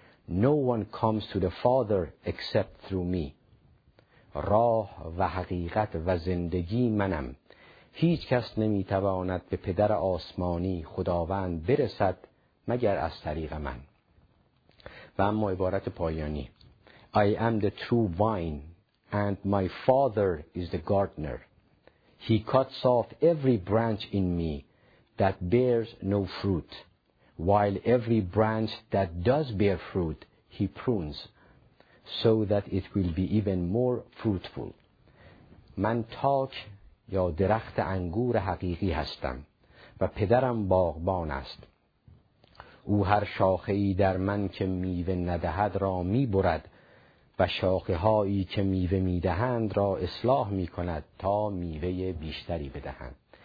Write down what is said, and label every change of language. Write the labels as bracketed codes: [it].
[en] No one comes to the Father except through me. [fa] راه و حقیقت و زندگی منم، هیچ کس نمیتواند به پدر آسمانی خداوند برسد مگر از طریق من. و اما عبارت پایانی، [en] I am the true vine and my Father is the gardener. He cuts off every branch in me that bears no fruit, while every branch that does bear fruit, he prunes, so that it will be even more fruitful. [fa] من تاک یا درخت انگور حقیقی هستم و پدرم باغبان است. او هر شاخه‌ای در من که میوه ندهد را می‌برد و شاخه هایی که میوه میدهند را اصلاح میکند تا میوه بیشتری بدهند.